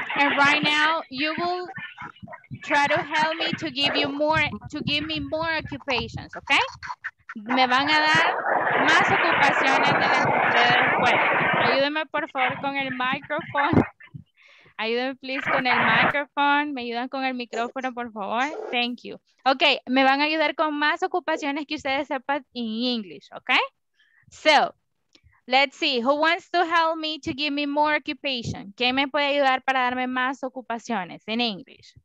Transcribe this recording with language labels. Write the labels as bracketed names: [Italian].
[English] And right now, you will try to help me to give you more, to give me more occupations, okay? [Spanish] Me van a dar más ocupaciones de las que ustedes pueden. Ayúdenme, por favor, con el micrófono. Ayúdenme, please, con el micrófono. Me ayudan con el micrófono, por favor. [English] Thank you. [Spanish] Ok, me van a ayudar con más ocupaciones que ustedes sepan en English, ok? [English] So, let's see. Who wants to help me to give me more occupation? [Spanish] ¿Quién me puede ayudar para darme más ocupaciones en English?